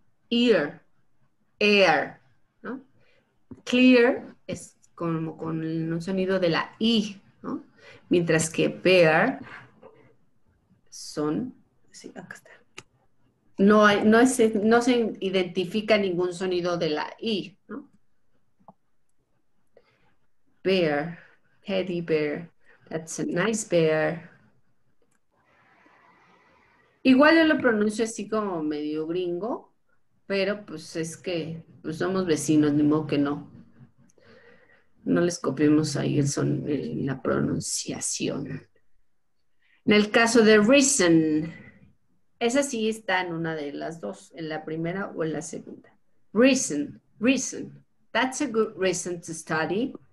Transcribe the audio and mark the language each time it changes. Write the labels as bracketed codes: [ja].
[es] Ear, air, ¿no? Clear es como con un sonido de la I, ¿no? Mientras que bear son, sí, acá está. No se identifica ningún sonido de la I, ¿no? [en] Bear, teddy bear, that's a nice bear. [es] Igual yo lo pronuncio así como medio gringo, pero pues es que pues somos vecinos, ni modo que no. No les copiemos ahí el son, la pronunciación. En el caso de reason, esa sí está en una de las dos, en la primera o en la segunda. [en] Reason, reason. That's a good reason to study.